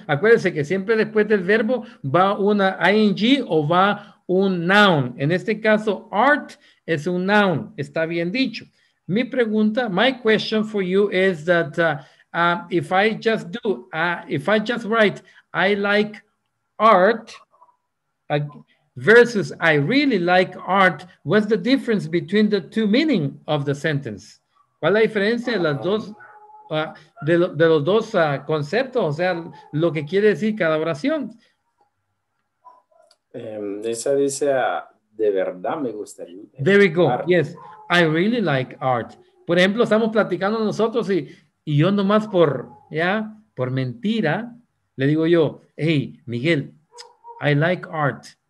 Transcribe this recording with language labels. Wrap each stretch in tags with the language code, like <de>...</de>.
<es>Acuérdense que siempre después del verbo va una ing o va un noun. En este caso, art es un noun. Está bien dicho. Mi pregunta,</es> <en>my question for you is that if I just write I like art versus I really like art, what's the difference between the two meaning of the sentence?</en> <es>¿Cuál es la diferencia de las dos? De los dos conceptos, o sea, lo que quiere decir cada oración. Esa dice, de verdad me gustaría.</es> <en>There we go, art. Yes, I really like art.</en> <es>Por ejemplo, estamos platicando nosotros y yo nomás por, ya, por mentira, le digo yo, hey, Miguel,</es> <en>I like art.</en>